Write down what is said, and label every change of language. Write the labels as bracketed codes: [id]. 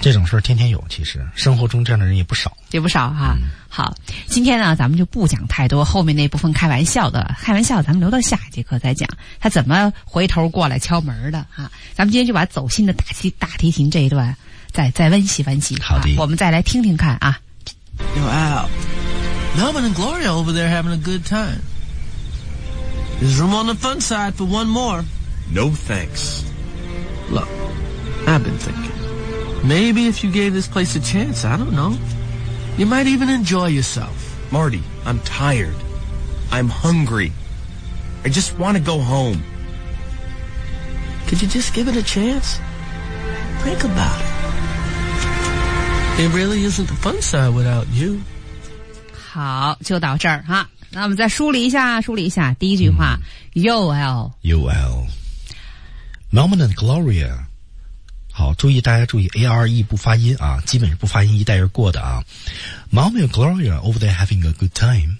[zh] 这种事儿天天有，其实生活中这样的人也不少，也不少哈、好，今天呢，咱们就不讲太多后面那部分开玩笑的，开玩笑咱们留到下一节课再讲，他怎么回头过来敲门的哈。咱们今天就把走心的大提琴这一段再温习温习。好的，我们再来听听看啊。 [en] Yo, Al, Melvin and Gloria over there having a good time. There's room on the fun side for one more. No thanks. Look, I've been thinking. Maybe if you gave this place a chance, I don't know, you might even enjoy yourself. Marty, I'm tired. I'm hungry. I just want to go home. Could you just give it a chance? Think about it. It really isn't the fun side without you. [zh] 好，就到这儿哈。那我们再梳理一下，梳理一下。第一句话 ，UL。 [en] UL。 Melman and Gloria。 [zh] 好，注意大家注意 ，ARE 不发音啊，基本是不发音，一带而过的啊。 [en] Melman and Gloria over there having a good time。